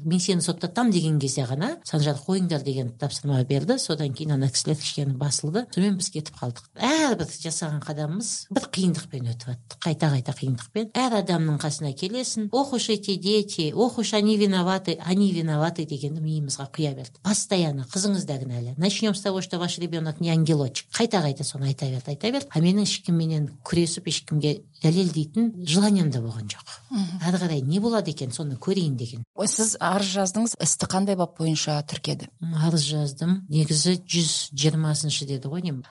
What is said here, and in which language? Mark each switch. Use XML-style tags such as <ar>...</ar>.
<kk>Мен сені соттатам деген кезде ғана, Санжар қойыңдар деген тапсырма берді, содан кейін ана кісілер кішкені басылды, сонымен біз кетіп қалдық. Әрбір жасаған қадам бір қиындықпен өтіп атты, қайта-қайта қиындықпен. Әр адамның қасына келесің,</kk> <ru>охуш эти дети, охуш они виноваты</ru> <kk>дегенді миымызға құя берді.</kk> <ru>Постоянно,</ru> <kk>қызыңызда кінәлі.</kk> <ru>Начнем с того, что ваш ребенок не ангелочек.</ru> <kk>Қайта-қайта соны айта берді. А менің ешкімменен күресіп, ешкімге дәлелдейтін желанием де болған жоқ. Әрі қарай не болады екен, соны көрейін деген. Сіз арыз жаздыңыз, істі қандай бап бойынша тіркеді? Арыз жаздым. Негізі 120-шы деді ғой деймін.</kk>